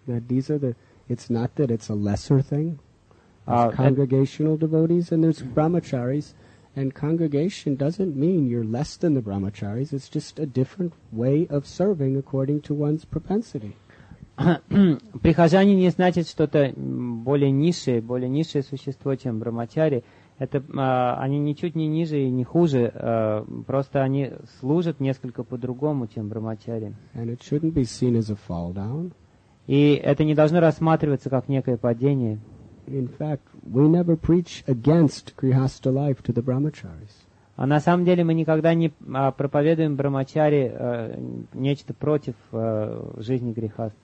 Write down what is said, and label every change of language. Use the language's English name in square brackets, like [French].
[English] It's not that it's a lesser thing. There's congregational devotees and there's brahmacharis. And congregation doesn't mean you're less than the brahmacharis. It's just a different way of serving according to one's propensity. [Russian] Прихожане не значит что-то более низшее существо, чем брахмачари. Это они ничуть не ниже и не хуже, просто они служат несколько по-другому, чем брахмачари. [English] And it shouldn't be seen as a fall down. [Russian] И это не должно рассматриваться как некое падение. [English] In fact, we never preach against grihastha life to the brahmacharis. [Russian] А на самом деле мы никогда не проповедуем брахмачари нечто против жизни грихаст.